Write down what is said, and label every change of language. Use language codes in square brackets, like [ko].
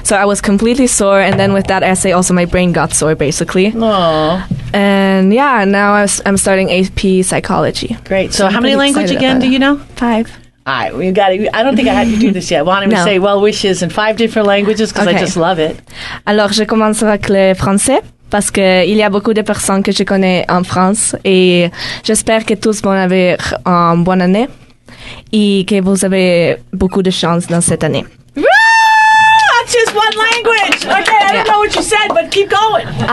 [en] So I was completely sore, and then with that essay, also my brain got sore, basically. Aww. And yeah, now I'm starting AP psychology. Great. So how many languages again do you know? Five. All right, we got it. I don't think I had to do this yet. Well, I'm going to say well wishes in five different languages because I just love it. [fr] Alors, je commence avec le français parce que il y a beaucoup de personnes que je connais en France et j'espère que tous vont avoir une bonne année et que vous avez beaucoup de chance dans cette année. [en] Woo! That's just one language. Okay, I don't know what you said, but keep going.